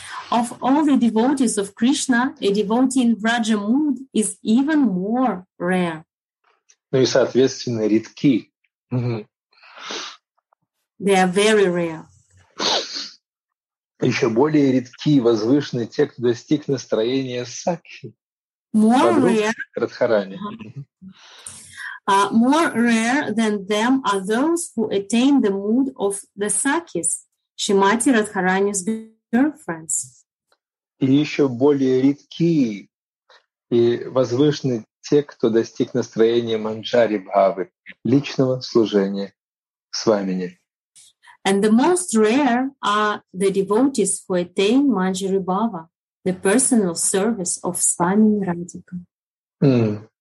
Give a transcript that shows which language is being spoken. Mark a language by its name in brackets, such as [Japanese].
[English] Of all the devotees of Krishna, a devotee in Vrajamud is even more rare. [Russian] Ну и, соответственно, редки. [English] They are very rare. [Russian] Еще более редки и возвышены те, кто достиг настроения сакхи. [English] More rare. [Russian] Радхарани. [English] More rare than them are those who attain the mood of the sakis, Shrimati Radharani's girlfriends. [Russian] И еще более редки и возвышены те, кто достиг настроения манджари бхавы, личного служения свамине. [English] And the most rare are the devotees who attain manjari bhava, the personal service of Swamini Radhika.